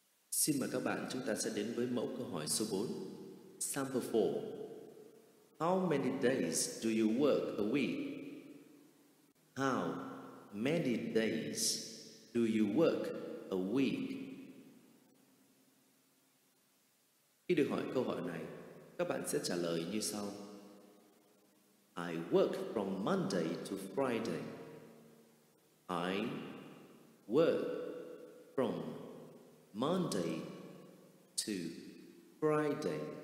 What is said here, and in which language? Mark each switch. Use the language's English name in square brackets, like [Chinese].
[Vietnamese] Xin mời các bạn chúng ta sẽ đến với mẫu câu hỏi số 4. [English] Sample 4. How many days do you work a week? How many days do you work a week? [Vietnamese] Khi được hỏi câu hỏi này, các bạn sẽ trả lời như sau. [English] I work from Monday to Friday. I work from Monday to Friday.